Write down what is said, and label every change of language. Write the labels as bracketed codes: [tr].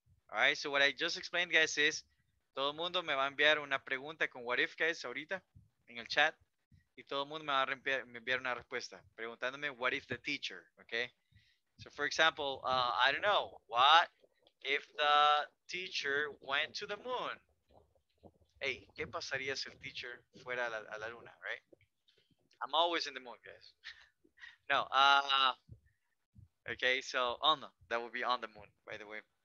[en] All right, so what I just explained, guys, is [es] todo mundo me va a enviar una pregunta con [en] what if, guys, [es] ahorita, en el chat, y todo mundo me va a enviar una respuesta preguntándome [en] what if the teacher, okay? So, for example, I don't know, what if the teacher went to the moon? [es] Hey, ¿qué pasaría si el teacher fuera a la luna, right? [en] I'm always in the moon, guys. No, okay, so on, that would be on the moon, by the way.